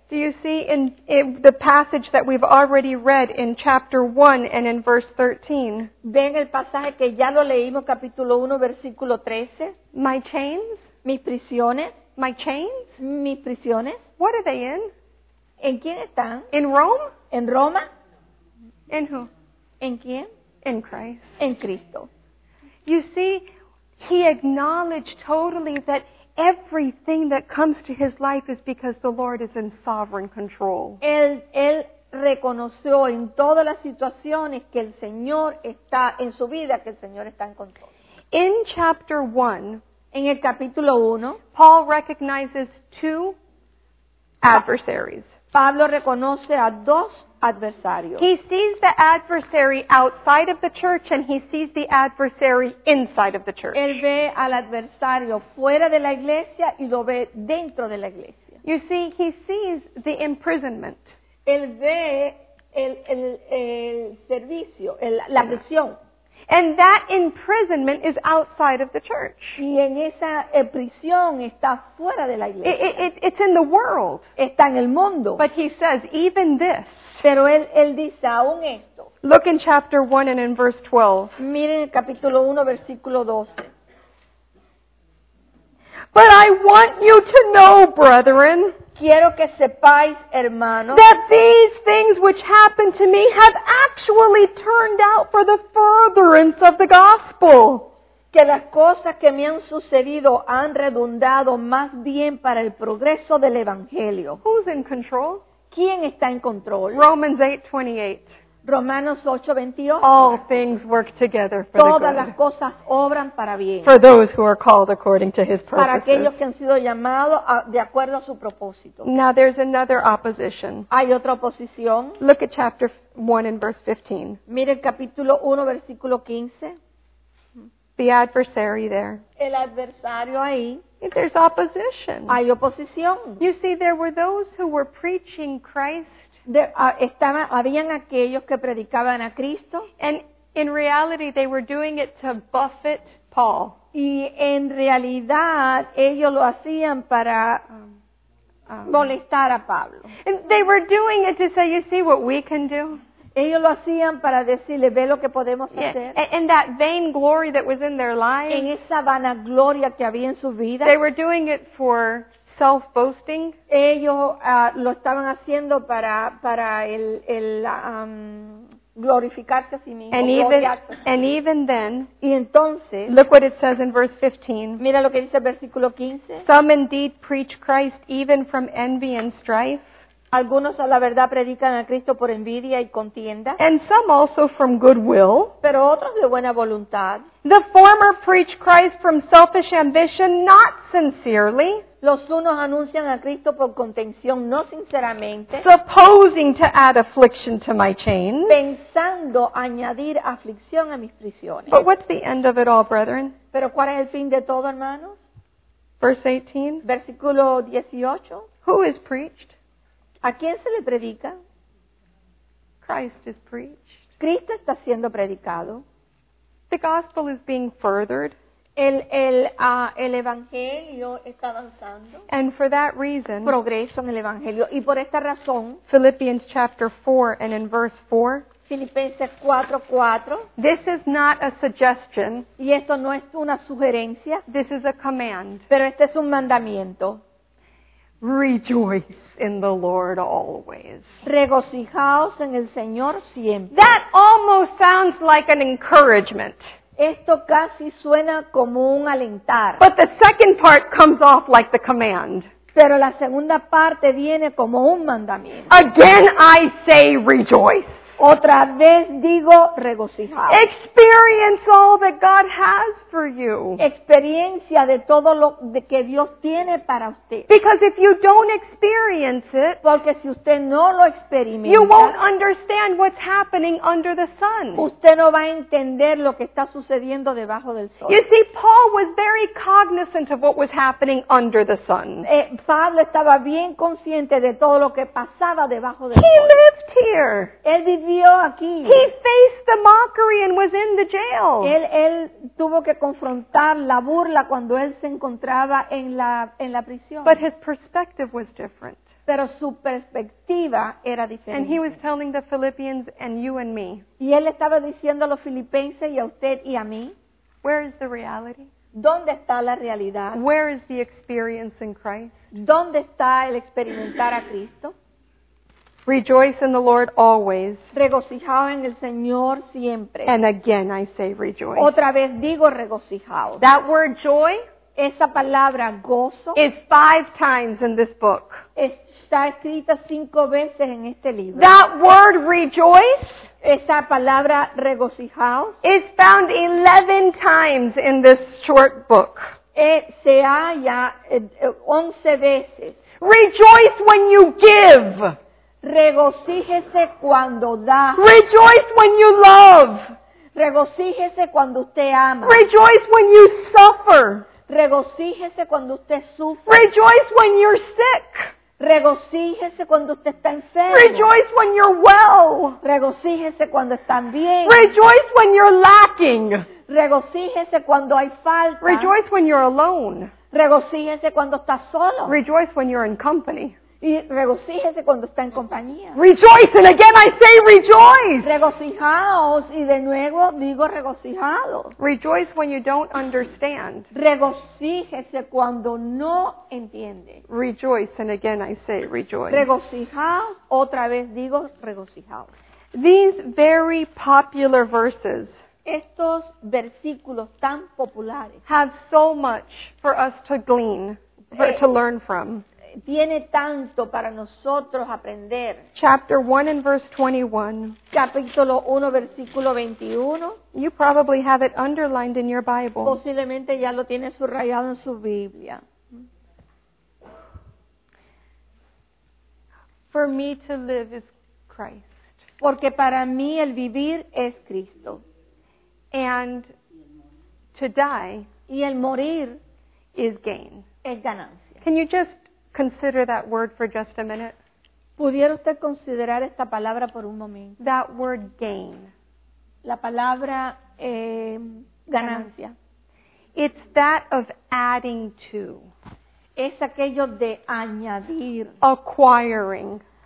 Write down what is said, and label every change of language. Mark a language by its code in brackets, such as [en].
[en] Do you see in the passage that we've already read in chapter 1 and in verse 13? [es] ¿Ven el pasaje que ya lo leímos, capítulo 1, versículo 13? [en] My chains? [es] Mis prisiones. [en] My chains? [es] Mis prisiones. [en] What are they in? [es] ¿En quién están? [en] In Rome? [es] ¿En Roma? [en] In who? [es] ¿En quién? [en] In Christ. [es] En Cristo. [en] You see, he acknowledged totally that everything that comes to his life is because the Lord is in sovereign control. [es] Él reconoció en todas las situaciones que el Señor está en su vida, que el Señor está en control. [en] In chapter 1, [es] en el capítulo 1, [en] Paul recognizes two adversaries. [es] Pablo reconoce a dos adversarios. [en] He sees the adversary outside of the church and he sees the adversary inside of the church. [es] Él ve al adversario fuera de la iglesia y lo ve dentro de la iglesia. [en] You see, he sees the imprisonment. [es] Él ve el servicio, la prisión. [en] And that imprisonment is outside of the church. [es] Y en esa prisión está fuera de la iglesia. [en] It's in the world. [es] Está en el mundo. [en] But he says, even this. [es] Pero él dice, aún esto. [en] Look in chapter 1 and in verse 12. [es] Miren el capítulo 1, versículo 12. [en] But I want you to know, brethren, [es] quiero que sepáis, hermanos, [en] that these things which happened to me have actually turned out for the furtherance of the gospel. [es] Que las cosas que me han sucedido han redundado más bien para el progreso del evangelio. [en] Who's in control? [es] ¿Quién está en control? [en] Romans 8:28. [es] Romanos 8:28. [en] All things work together for [es] todas [en] the good. [es] Todas las cosas obran para bien. [en] For those who are called according to his purposes. [es] Para aquellos que han sido llamados de acuerdo a su propósito. [en] Now there's another opposition. [es] Hay otra oposición. [en] Look at chapter 1 and verse 15. [es] Mire el capítulo 1, versículo 15. [en] The adversary there. [es] El adversario ahí. [en] There's opposition. [es] Hay oposición. [en] You see, there were those who were preaching Christ. [es] Habían aquellos que predicaban a Cristo. [en] And in reality, they were doing it to buffet Paul. [es] Y en realidad, ellos lo hacían para molestar a Pablo. [en] And they were doing it to say, you see what we can do? [es] Ellos lo hacían para decirle, ve lo que podemos hacer. [en] And that vain glory that was in their lives. [es] En esa vanagloria que había en su vida. [en] They were doing it for self-boasting. [es] Ellos lo estaban haciendo para el glorificarse a sí mismo. [en] And even then. [es] Y entonces. [en] Look what it says in verse 15. [es] Mira lo que dice el versículo 15. [en] Some indeed preach Christ even from envy and strife. [es] Algunos a la verdad predican a Cristo por envidia y contienda. [en] And some also from goodwill. [es] Pero otros de buena voluntad. [en] The former preach Christ from selfish ambition, not sincerely. [es] Los unos anuncian a Cristo por contención, no sinceramente. [en] Supposing to add affliction to my chains. [es] Pensando añadir aflicción a mis prisiones. [en] But what's the end of it all, brethren? [es] Pero ¿cuál es el fin de todo, hermanos? [en] Verse 18. [es] Versículo 18. [en] Who is preached? [es] ¿A quién se le predica? [en] Christ is preached. [es] Cristo está siendo predicado. [en] The gospel is being furthered. [es] El evangelio está avanzando. [en] And for that reason, [es] progreso en el evangelio. Y por esta razón, [en] Philippians chapter 4 and in verse 4, [es] Filipenses 4, 4, [en] this is not a suggestion. [es] Y esto no es una sugerencia. [en] This is a command. [es] Pero este es un mandamiento. [en] Rejoice in the Lord always. [es] Regocijaos en el Señor siempre. [en] That almost sounds like an encouragement. [es] Esto casi suena como un alentar. [en] But the second part comes off like the command. [es] Pero la segunda parte viene como un mandamiento. [en] Again I say rejoice. [es] Otra vez digo regocijaos. [en] Experience all that God has for you. [es] Experiencia de todo lo que Dios tiene para usted. [en] Because if you don't experience it, [es] porque si usted no lo experimenta, [en] you won't understand what's happening under the sun. [es] Usted no va a entender lo que está sucediendo debajo del sol. [en] You see, Paul was very cognizant of what was happening under the sun. [es] Pablo estaba bien consciente de todo lo que pasaba debajo del [en] he [es] sol. [en] He lived here. [es] Él vivió. [en] He faced the mockery and was in the jail. [es] Él tuvo que confrontar la burla cuando él se encontraba en la prisión. [en] But his perspective was different. [es] Pero su perspectiva era diferente. [en] And he was telling the Philippians and you and me. [es] Y él estaba diciendo a los filipenses y a usted y a mí. [en] Where is the reality? [es] ¿Dónde está la realidad? [en] Where is the experience in Christ? [es] ¿Dónde está el experimentar a Cristo? [en] Rejoice in the Lord always. [es] Regocijado en el Señor siempre. [en] And again I say rejoice. [es] Otra vez digo regocijado. [en] That word joy, [es] esa palabra gozo, [en] is 5 times in this book. [es] Está escrita 5 veces en este libro. [en] That word rejoice, [es] esa palabra regocijado, [en] is found 11 times in this short book. [es] Se halla 11 veces. [en] Rejoice when you give. [es] Regocíjese cuando da. [en] Rejoice when you love. [es] Regocíjese cuando usted ama. [en] Rejoice when you suffer. [es] Regocíjese cuando usted sufre. [en] Rejoice when you're sick. [es] Regocíjese cuando usted está enfermo. [en] Rejoice when you're well. [es] Regocíjese cuando están bien. [en] Rejoice when you're lacking. [es] Regocíjese cuando hay falta. [en] Rejoice when you're alone. [es] Regocíjese cuando está solo. [en] Rejoice when you're in company. [es] Y regocíjese cuando está en compañía. [en] Rejoice, and again I say rejoice. [es] Regocijaos, y de nuevo digo regocijados. [en] Rejoice when you don't understand. [es] Regocíjese cuando no entiende. [en] Rejoice, and again I say rejoice. [es] Regocijaos, otra vez digo regocijaos. [en] These very popular verses. [es] Estos versículos tan populares. [en] Have so much for us to glean, for to learn from. [es] Tiene tanto para nosotros aprender. [en] Chapter 1 and verse 21. [es] Capítulo 1, versículo 21. [en] You probably have it underlined in your Bible. [es] Posiblemente ya lo tiene subrayado en su Biblia. [en] For me to live is Christ. [es] Porque para mí el vivir es Cristo. [en] And to die, [es] y el morir [en] is gain. [es] Es ganancia. [en] Can you just consider that word for just a minute? [es] ¿Pudiera usted considerar esta palabra por un momento? [en] That word gain. [es] La palabra ganancia. [en] It's that of adding to. [es] Es aquello de añadir. [en] Acquiring.